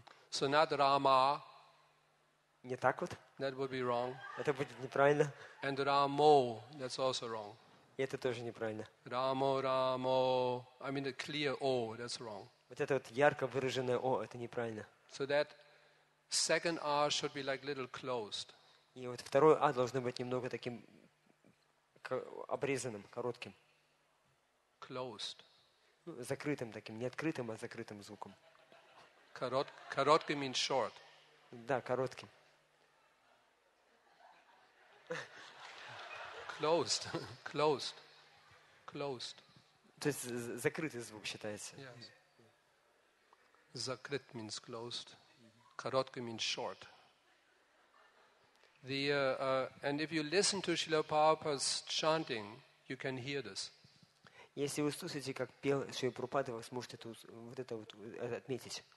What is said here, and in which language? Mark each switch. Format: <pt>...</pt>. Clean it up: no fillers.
<en>So not Rama.</en> <ru>Не так вот?</ru> <en>That would be wrong.</en> <ru>Это будет неправильно.</ru> <en>And Ramo, that's also wrong.</en> <ru>И это тоже неправильно.</ru> <en>Ramo, Ramo. I mean the clear O, that's wrong.</en> <ru>Вот это вот ярко выраженное О, это неправильно.</ru> <en>So that second R should be like little closed.</en> <ru>И вот второе А должно быть немного таким обрезанным, коротким.</ru> <en>Closed.</en> <ru>Ну, закрытым таким, не открытым, а закрытым звуком. Короткий</ru> <en>means short.</en> <ru>Да, коротким.</ru> <en>Closed. Closed. Closed.</en> <ru>То есть закрытый звук считается.</ru> <en>Yes.</en> <ru>Закрыт</ru> <en>means closed.</en> <ru>Короткий</ru> <en>means short. And if you listen to Srila Prabhupada's chanting, you can hear this.</en> <ru>Если вы слушаете, как пел Шри Прабхупада, вы сможете тут вот это вот отметить.</ru>